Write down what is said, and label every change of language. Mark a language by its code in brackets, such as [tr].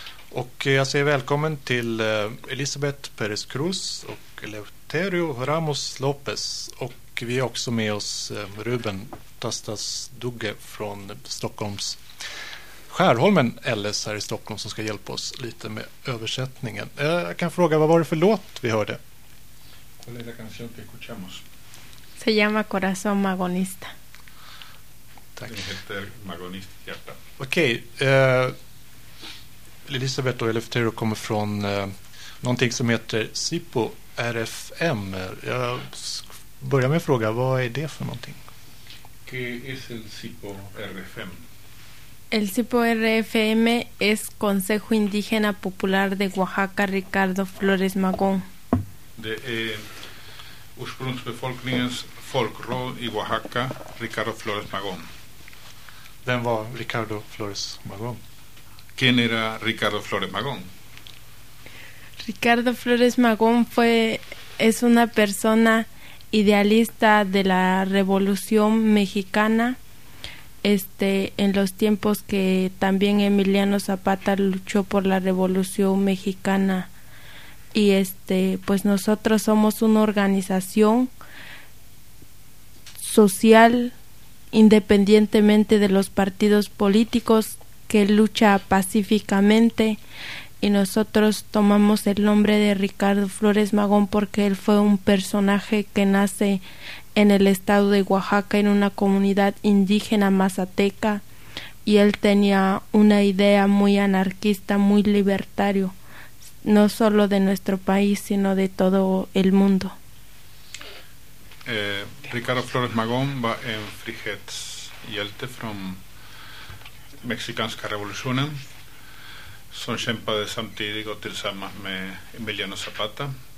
[sv] Och jag säger välkommen till Elisabeth Perez Cruz och Eleuterio Ramos López. Och vi är också med oss Ruben Tastas Dugge från Stockholms Skärholmen LS här i Stockholm som ska hjälpa oss lite med översättningen. Jag kan fråga, vad var det för låt vi hörde? [es] ¿Cuál es la canción que escuchamos? Se llama Corazón Magonista. [sv] Tack. Den heter Magonista Hjärta. Okej. Elisabeth och Eleftero kommer från någonting som heter SIPO RFM. Jag börjar med att fråga, vad är det för någonting? [es] ¿Qué es el SIPO RFM? El SIPO RFM es Consejo Indígena Popular de Oaxaca Ricardo Flores Magón. [sv] Det är ursprungsbefolkningens folkråd i Oaxaca, Ricardo Flores Magón. Vem var Ricardo Flores Magón? [es] ¿Quién era Ricardo Flores Magón? Ricardo Flores Magón es una persona idealista de la Revolución Mexicana, en los tiempos que también Emiliano Zapata luchó por la Revolución Mexicana. Y pues nosotros somos una organización social independientemente de los partidos políticos que lucha pacíficamente, y nosotros tomamos el nombre de Ricardo Flores Magón porque él fue un personaje que nace en el estado de Oaxaca en una comunidad indígena mazateca, y él tenía una idea muy anarquista, muy libertario, no solo de nuestro país, sino de todo el mundo. [sv] Ricardo Flores Magón va en frihets hjälte från mexikanska revolutionen, som kämpade samtidigt och tillsammans med Emiliano Zapata.